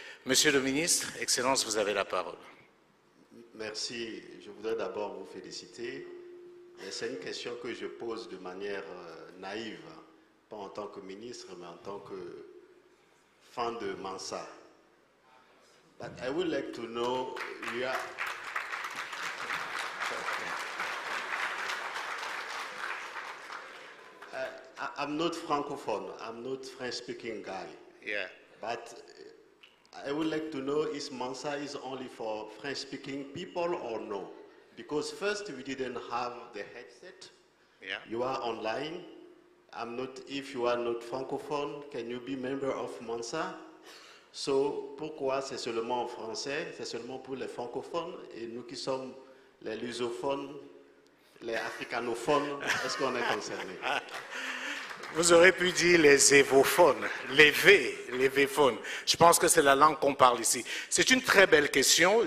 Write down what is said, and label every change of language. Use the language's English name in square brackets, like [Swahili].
[French] Monsieur le ministre, Excellence, vous avez la parole. Merci. Je voudrais d'abord vous féliciter. Mais c'est une question que je pose de manière naïve, pas en tant que ministre, mais en tant que fan de Mansa. [English] But I would like to know, I'm not francophone, I'm not French-speaking guy. Yeah. But I would like to know, is Mansa is only for French-speaking people or no? Because first we didn't have the headset. Yeah. You are online. I'm not. If you are not francophone, can you be member of Mansa? So, [French] pourquoi c'est seulement en français? C'est seulement pour les francophones et nous qui sommes les lusophones, les africanophones, est-ce qu'on est concernés? Vous aurez pu dire les évophones, les véphones. Je pense que c'est la langue qu'on parle ici. C'est une très belle question.